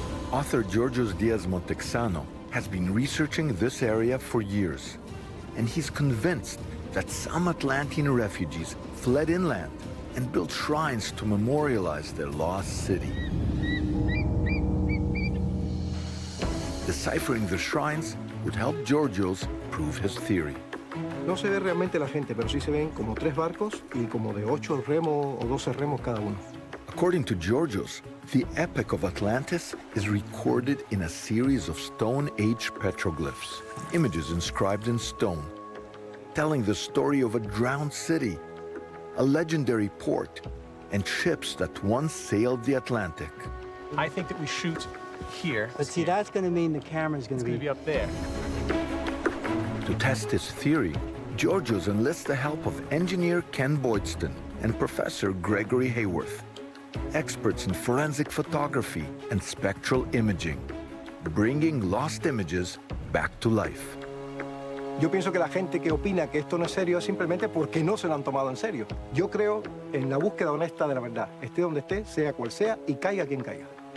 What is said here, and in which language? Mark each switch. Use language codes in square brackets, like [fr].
[en] Author Georgios Diaz Montexano has been researching this area for years, and he's convinced that some Atlantean refugees fled inland and built shrines to memorialize their lost city. Deciphering the shrines would help Georgios prove his theory. [es] No se ve realmente la gente, pero sí se ven como tres barcos y como de 8 remos o 12 remos cada uno. [en] According to Georgios, the epic of Atlantis is recorded in a series of Stone Age petroglyphs, images inscribed in stone, telling the story of a drowned city, a legendary port, and ships that once sailed the Atlantic. I think that we shoot here. But see, that's going to mean the camera's going to be up there. To test his theory, Georgios enlists the help of engineer Ken Boydston and Professor Gregory Hayworth, experts in forensic photography and spectral imaging, bringing lost images back to life. [es] Yo pienso que la gente que opina que esto no es serio es simplemente porque no se lo han tomado en serio. Yo creo en la búsqueda honesta de la verdad, esté donde esté, sea cual sea, y caiga quien caiga.